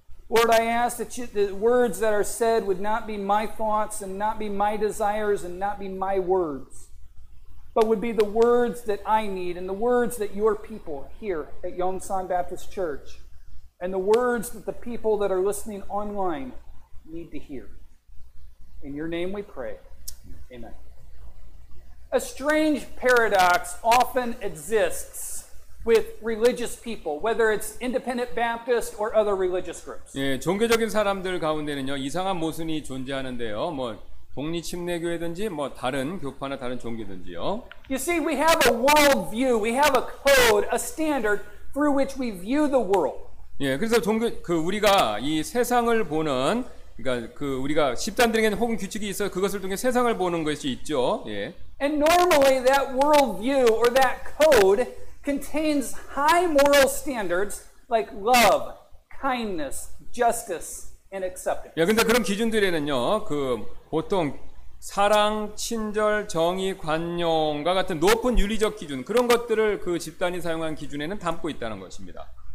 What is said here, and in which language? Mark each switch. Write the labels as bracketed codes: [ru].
[en] Lord, I ask that the words that are said would not be my thoughts and not be my desires and not be my words, but would be the words that I need and the words that your people here at Yongsan Baptist Church and the words that the people that are listening online need to hear. In your name we pray. Amen. A strange paradox often exists with religious people, whether it's independent Baptist or other religious groups. [ko] 예, 종교적인 사람들 가운데는요 이상한 모순이 존재하는데요. 뭐 독립침례교회든지 뭐 다른 교파나 다른 종교든지요. [en] You see, we have a worldview, we have a code, a standard through which we view the world. [ko] 예, 그래서 종교 그 우리가 이 세상을 보는 그러니까 그 우리가 집단들에게는 혹은 규칙이 있어 그것을 통해 세상을 보는 것이 있죠. 예. [en] And normally that worldview or that code contains high moral standards like love, kindness, justice, and acceptance. [ko] 야, 근데 그런 기준들에는요, 그 보통 사랑, 친절, 정의, 관용과 같은 높은 윤리적 기준 그런 것들을 그 집단이 사용한 기준에는 담고 있다는 것입니다.